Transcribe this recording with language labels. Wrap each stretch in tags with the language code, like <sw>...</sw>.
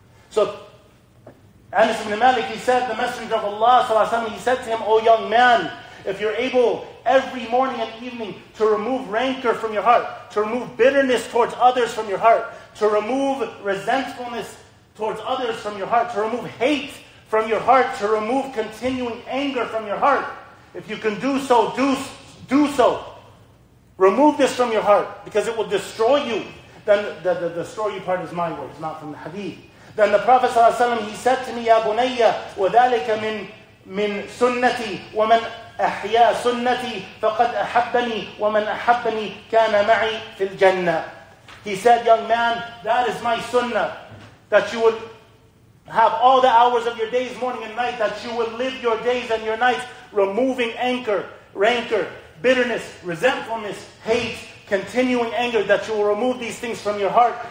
<en>So Anas ibn Malik, he said, the Messenger of Allah sallallahu alaihi wasallam, he said to him, O young man, if you're able every morning and evening to remove rancor from your heart, to remove bitterness towards others from your heart, to remove resentfulness towards others from your heart, to remove hate from your heart, to remove continuing anger from your heart, if you can do so, do so. Remove this from your heart, because it will destroy you. Then the destroy you part is my words, not from the hadith. Then the Prophet ﷺ, he said to me, Ya bunayya,</en> <ar>وَذَلِكَ مِن سُنَّتِي وَمَنْ أَحْيَى سُنَّتِي فَقَدْ أَحَبَّنِي وَمَنْ أَحَبَّنِي كَانَ مَعِي فِي الْجَنَّةِ.</ar> <en>He said, young man, that is my sunnah, that you would have all the hours of your days, morning and night, that you will live your days and your nights removing anger, rancor, bitterness, resentfulness, hate, continuing anger, that you will remove these things from your heart.</en>